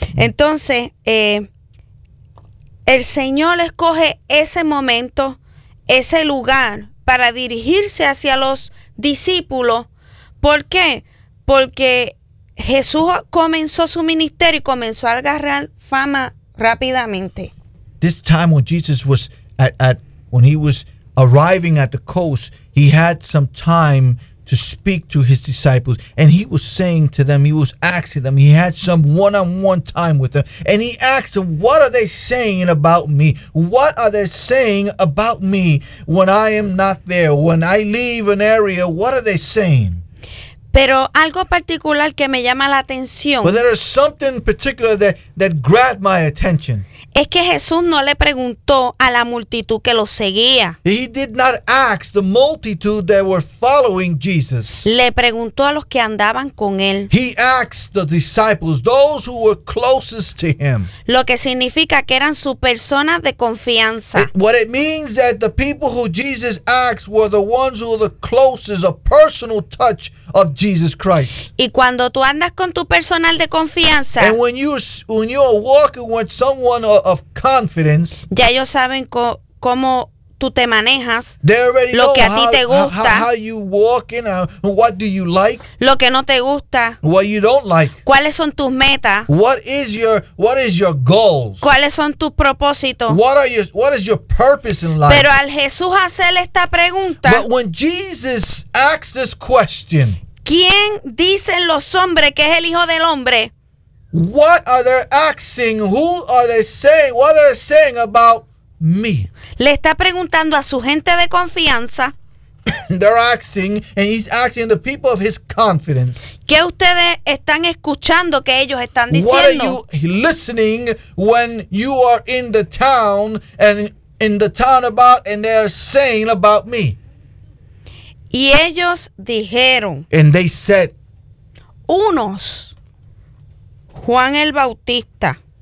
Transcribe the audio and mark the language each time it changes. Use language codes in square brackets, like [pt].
[es] Entonces, el Señor escoge ese momento, ese lugar, para dirigirse hacia los discípulos, ¿Por qué? Porque Jesús comenzó su ministerio y comenzó a agarrar fama rápidamente. [en] This time when Jesus was at when he was arriving at the coast, he had some time to speak to his disciples, and he was saying to them, he was asking them, he had some one-on-one time with them, and he asked them, what are they saying about me? What are they saying about me when I am not there? When I leave an area, what are they saying? [es] Pero algo particular que me llama la atención. [en] But there is something particular that grabbed my attention. [es] Es que Jesús no le preguntó a la multitud que lo seguía. [en] He did not ask the multitude that were following Jesus. [es] Le preguntó a los que andaban con él. [en] He asked the disciples, those who were closest to him. [es] Lo que significa que eran su persona de confianza. [en] What it means that the people who Jesus asked were the ones who were the closest, a personal touch of Jesus Christ. [es] Y cuando tú andas con tu personal de confianza. [en] And when you're walking with someone of confidence. [es] Ya ellos saben cómo tú te manejas. [en] They already [es] lo [en] know [es] que a ti te gusta. [en] How you walk in, what do you like? [es] Lo que no te gusta. [en] What you don't like. [es] ¿Cuáles son tus metas? [en] What is your goals? [es] ¿Cuáles son tus propósitos? [en] What is your purpose in life? [es] Pero al Jesús hacer esta pregunta. [en] But when Jesus asks this question. [es] ¿Quién dicen los hombres que es el Hijo del Hombre? [en] What are they asking? Who are they saying? What are they saying about me? [es] Le está preguntando a su gente de confianza. [en] They're asking, and he's asking the people of his confidence. [es] ¿Qué ustedes están escuchando que ellos están diciendo? [en] What are you listening when you are in the town and in the town about, and they're saying about me? [es] Y ellos dijeron. [en] And they said. [es] Unos. Juan el Bautista.